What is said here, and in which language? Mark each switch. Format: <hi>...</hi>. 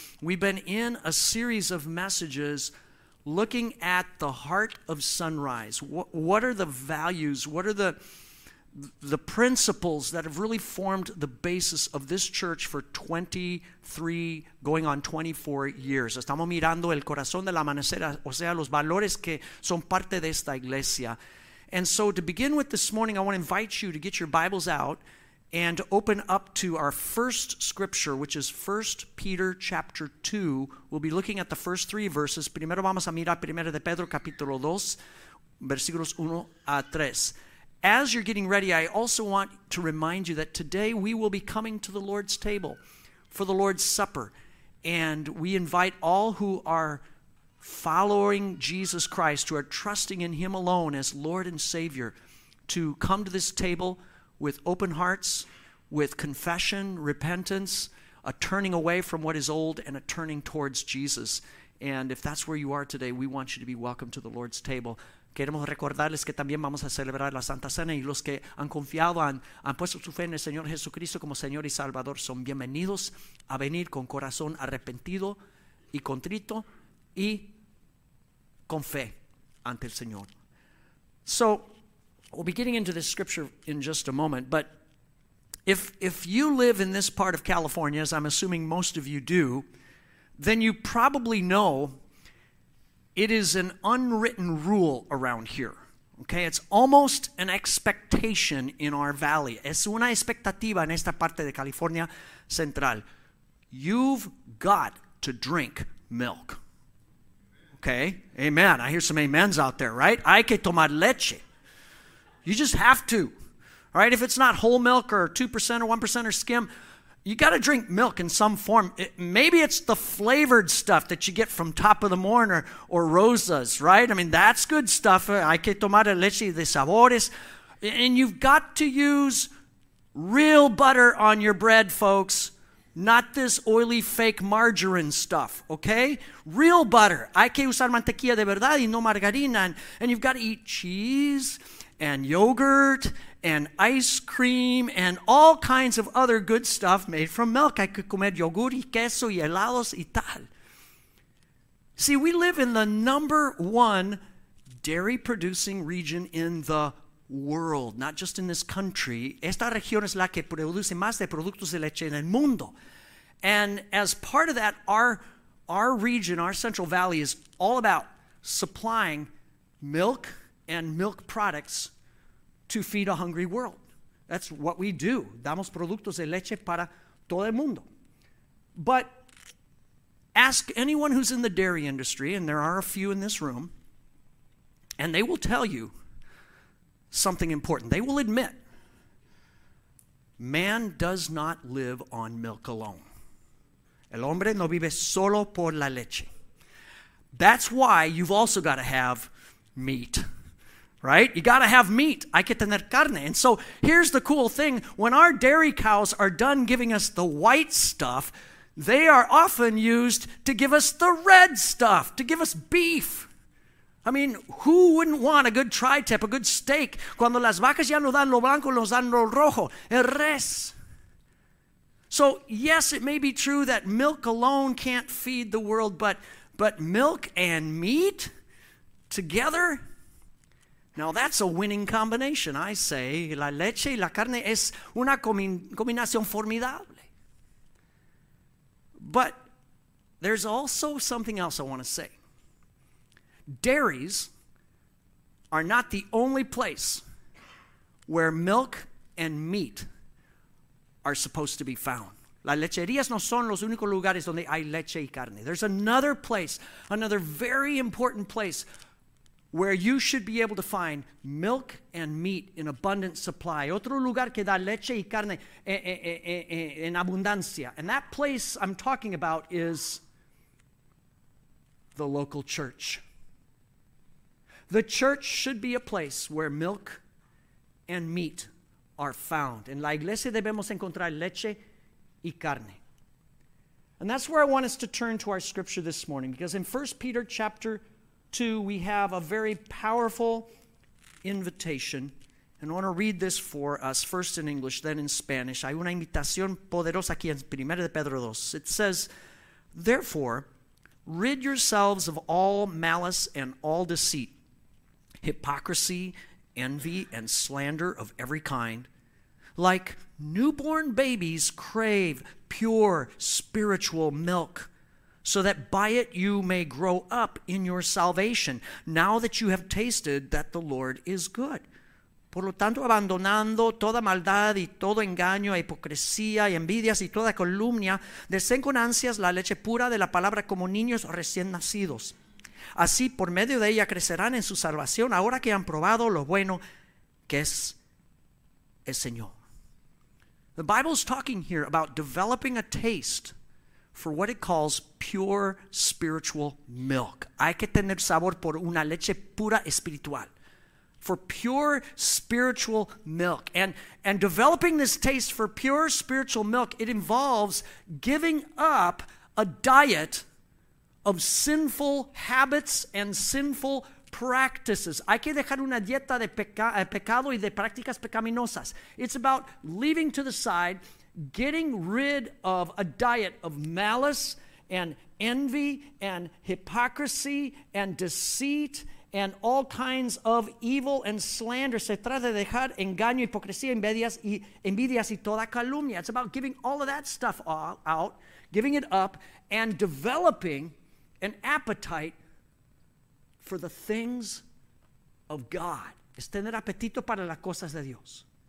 <en>We've been in a series of messages looking at the heart of Sunrise. What are the values? What are the principles that have really formed the basis of this church for 23, going on 24 years?</en> <es>Estamos mirando el corazón del amanecer, o sea, los valores que son parte de esta iglesia.</es> <en>And so to begin with this morning, I want to invite you to get your Bibles out and open up to our first scripture, which is 1 Peter chapter 2. We'll be looking at the first three verses.</en> <es>Primero vamos a mirar Primera de Pedro capítulo 2, versículos 1 a 3.</es> <en>As you're getting ready, I also want to remind you that today we will be coming to the Lord's table for the Lord's Supper. And we invite all who are following Jesus Christ, who are trusting in Him alone as Lord and Savior, to come to this table with open hearts, with confession, repentance, a turning away from what is old, and a turning towards Jesus. And if that's where you are today, we want you to be welcome to the Lord's table.</en> <es>Queremos recordarles que también vamos a celebrar la Santa Cena, y los que han confiado, han puesto su fe en el Señor Jesucristo como Señor y Salvador, son bienvenidos a venir con corazón arrepentido y contrito y con fe ante el Señor.</es> <en>So, we'll be getting into this scripture in just a moment, but if you live in this part of California, as I'm assuming most of you do, then you probably know it is an unwritten rule around here, okay? It's almost an expectation in our valley.</en> <es>Es una expectativa en esta parte de California Central.</es> <en>You've got to drink milk, okay? Amen. I hear some amens out there, right?</en> <es>Hay que tomar leche.</es> <en>You just have to, all right? If it's not whole milk or 2% or 1% or skim, you got to drink milk in some form. Maybe it's the flavored stuff that you get from Top of the Morn or Rosa's, right? I mean, that's good stuff.</en> <es>Hay que tomar leche de sabores.</es> <en>And you've got to use real butter on your bread, folks, not this oily fake margarine stuff, okay? Real butter.</en> <es>Hay que usar mantequilla de verdad y no margarina.</es> <en>And you've got to eat cheese and yogurt and ice cream and all kinds of other good stuff made from milk. I could</en> <es>comer yogurt y queso y helados y tal.</es> <en>See, we live in the number one dairy producing region in the world, not just in this country.</en> <es>Esta región es la que produce más de productos de leche en el mundo.</es> <en>And as part of that, our region, our Central Valley, is all about supplying milk and milk products to feed a hungry world. That's what we do.</en> <es>Damos productos de leche para todo el mundo.</es> <en>But ask anyone who's in the dairy industry, and there are a few in this room, and they will tell you something important. They will admit, man does not live on milk alone.</en> <es>El hombre no vive solo por la leche.</es> <en>That's why you've also got to have meat. Right? You gotta have meat.</en> <es>Hay que tener carne.</es> <en>And so here's the cool thing. When our dairy cows are done giving us the white stuff, they are often used to give us the red stuff, to give us beef. I mean, who wouldn't want a good tri-tip, a good steak?</en> <es>Cuando las vacas ya no dan lo blanco, nos dan lo rojo, el res.</es> <en>So yes, it may be true that milk alone can't feed the world, but milk and meat together? Now that's a winning combination, I say.</en> <es>La leche y la carne es una combinación formidable.</es> <en>But there's also something else I want to say. Dairies are not the only place where milk and meat are supposed to be found.</en> <es>Las lecherías no son los únicos lugares donde hay leche y carne.</es> <en>There's another place, another very important place, where you should be able to find milk and meat in abundant supply.</en> <es>Otro lugar que da leche y carne en abundancia.</es> <en>And that place I'm talking about is the local church. The church should be a place where milk and meat are found.</en> <es>En la iglesia debemos encontrar leche y carne.</es> <en>And that's where I want us to turn to our scripture this morning, because in 1 Peter chapter 2, we have a very powerful invitation, And I want to read this for us, first in English, then in Spanish.</en> <es>Hay una invitación poderosa aquí en Primera de Pedro 2.</es> <en>It says, therefore, rid yourselves of all malice and all deceit, hypocrisy, envy, and slander of every kind. Like newborn babies, crave pure spiritual milk, so that by it you may grow up in your salvation, now that you have tasted that the Lord is good.</en> <es>Por lo tanto, abandonando toda maldad y todo engaño, hipocresía y envidias y toda calumnia, deseen con ansias la leche pura de la palabra como niños recién nacidos. Así, por medio de ella crecerán en su salvación, ahora que han probado lo bueno que es el Señor.</es> <en>The Bible is talking here about developing a taste for what it calls pure spiritual milk.</en> <es>Hay que tener sabor por una leche pura espiritual.</es> <en>For pure spiritual milk. And developing this taste for pure spiritual milk, it involves giving up a diet of sinful habits and sinful practices.</en> <es>Hay que dejar una dieta de pecado y de prácticas pecaminosas.</es> <en>It's about leaving to the side, getting rid of a diet of malice and envy and hypocrisy and deceit and all kinds of evil and slander.</en> <es>Se trata de dejar engaño, hipocresía, envidias y toda calumnia.</es> <en>It's about giving all of that stuff out, giving it up, and developing an appetite for the things of God.</en> <es>Es tener apetito para las cosas de Dios.</es>